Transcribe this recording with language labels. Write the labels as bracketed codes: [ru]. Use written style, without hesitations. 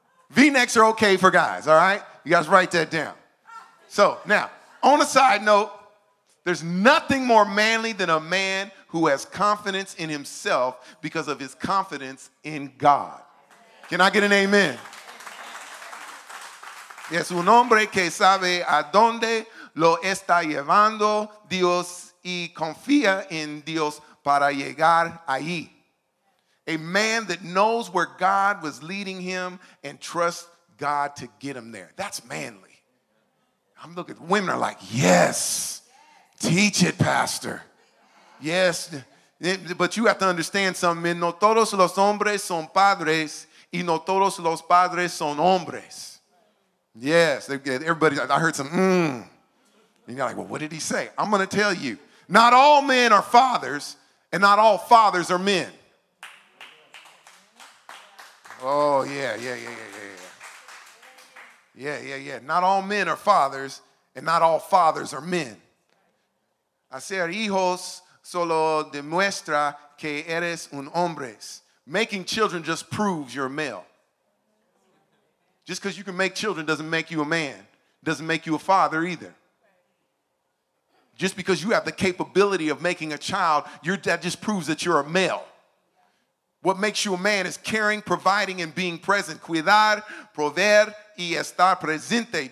[en] V-necks are okay for guys, all right? You guys write that down. So, now, on a side note, there's nothing more manly than a man who has confidence in himself because of his confidence in God. Can I get an amen? [es] Es un hombre que sabe a dónde lo está llevando Dios y confía en Dios para llegar allí. [en] A man that knows where God was leading him and trusts God to get him there. That's manly. I'm looking, women are like, yes, teach it, Pastor. Yes, but you have to understand something. [es] No todos los hombres son padres y no todos los padres son hombres. [en] Yes, everybody, I heard some, And you're like, well, what did he say? I'm going to tell you. Not all men are fathers, and not all fathers are men. Oh, yeah. Not all men are fathers, and not all fathers are men. [es] Hacer hijos solo demuestra que eres un hombre. [en] Making children just proves you're a male. Just because you can make children doesn't make you a man. Doesn't make you a father either. Just because you have the capability of making a child, that just proves that you're a male. What makes you a man is caring, providing, and being present. [es] Cuidar, proveer, y estar presente.